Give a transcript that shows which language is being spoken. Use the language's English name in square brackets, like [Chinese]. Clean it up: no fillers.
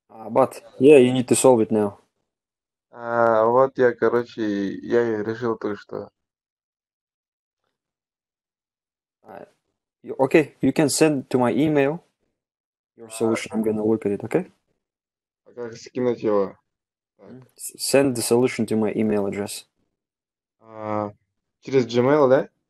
[English] But yeah, you need to solve it now. [Russian] Вот я, короче, я решил то, что... [English] Okay, you can send to my email your solution. I'm gonna look at it, okay? [Russian] Как скинуть его? Так. [English] Send the solution to my email address. [Russian] Через Gmail, да?